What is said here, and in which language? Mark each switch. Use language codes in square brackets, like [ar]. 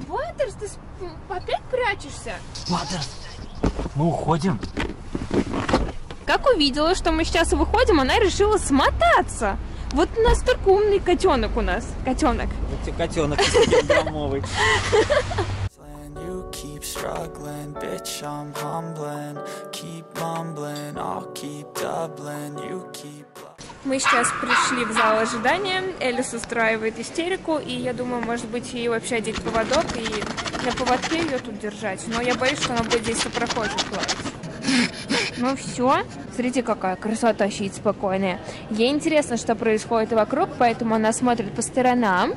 [ru] Баттерс, ты опять прячешься? Баттерс, мы уходим. Как увидела, что мы сейчас выходим, она решила смотаться. Вот настолько умный котенок у нас. Котенок. Вот тебе котенок, 100-граммовый. [en] You keep struggling, bitch, I'm humbling. Keep mumbling, I'll keep doubling. You keep... [ru] Мы сейчас пришли в зал ожидания. Элис устраивает истерику, и я думаю, может быть, ей вообще одеть поводок и на поводке ее тут держать. Но я боюсь, что она будет здесь сопрохожей плакать. Ну все. Смотрите, какая красота, сидит спокойная. Ей интересно, что происходит вокруг, поэтому она смотрит по сторонам.